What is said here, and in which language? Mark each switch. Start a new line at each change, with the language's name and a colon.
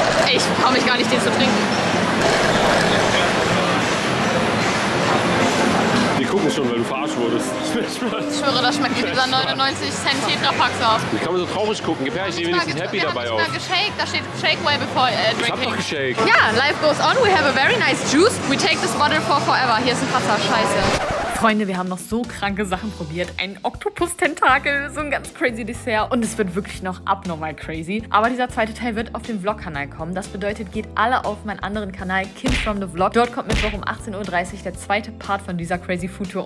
German: Ich traue mich gar nicht, den zu trinken. Gucken schon, weil du verarscht wurdest. Spaß. Ich schwöre, das schmeckt wie dieser 99 Cent Tetra-Pack-Saft. Wie kann man so traurig gucken? Gefährlich, ich wenigstens happy dabei auch. Wir haben geshaked. Da steht
English: shake well before drinking.
German: Ich hab doch geshaked.
English: Ja, life goes on. We have a very nice juice. We take this bottle for forever.
German: Hier ist ein Wasser. Scheiße. Freunde, wir haben noch so kranke Sachen probiert. Ein Oktopus-Tentakel, so ein ganz crazy Dessert. Und es wird wirklich noch abnormal crazy. Aber dieser zweite Teil wird auf den Vlog-Kanal kommen. Das bedeutet, geht alle auf meinen anderen Kanal, Kim from the Vlog. Dort kommt Mittwoch um 18.30 Uhr der zweite Part von dieser Crazy Food Tour.